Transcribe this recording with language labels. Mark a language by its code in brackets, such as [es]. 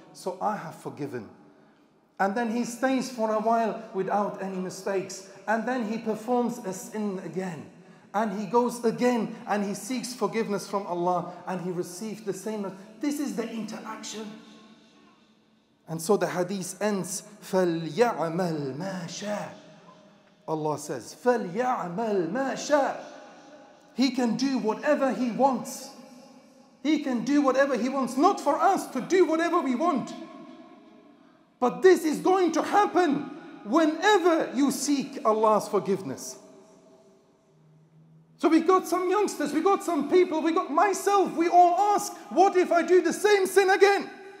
[en] So I have forgiven. And then he stays for a while without any mistakes. And then he performs a sin again. And he goes again and he seeks forgiveness from Allah and he receives the same. This is the interaction. And so the hadith ends, [ar] فَلْيَعْمَلْ مَا شَاءَ. [en] Allah says, [ar] فَلْيَعْمَلْ مَا شَاءَ. [en] He can do whatever he wants. He can do whatever he wants. Not for us to do whatever we want. But this is going to happen whenever you seek Allah's forgiveness. So we got some youngsters, we got some people, we got myself. We all ask, what if I do the same sin again?